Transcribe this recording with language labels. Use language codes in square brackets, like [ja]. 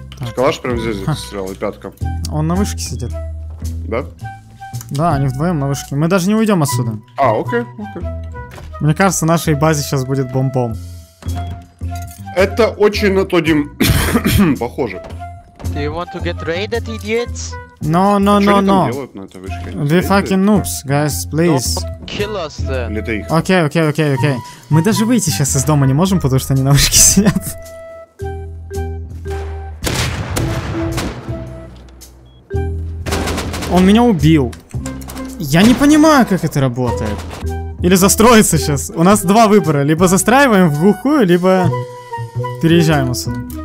[ru] Скалаш прям здесь стрелял, и пятка. Он на вышке сидит. Да? Да, они вдвоем на вышке. Мы даже не уйдем отсюда. А, окей. Мне кажется, нашей базе сейчас будет бомбом. Это очень на Тодим похоже. [en] Do you want to get raided, idiots? No. We fucking noobs, guys, please. Don't kill us then. [ru] Или это их? Окей. Мы даже выйти сейчас из дома не можем, потому что они на вышке сидят. Он меня убил. Я не понимаю, как это работает. Или застроиться сейчас. У нас два выбора. Либо застраиваем в глухую, либо переезжаем отсюда.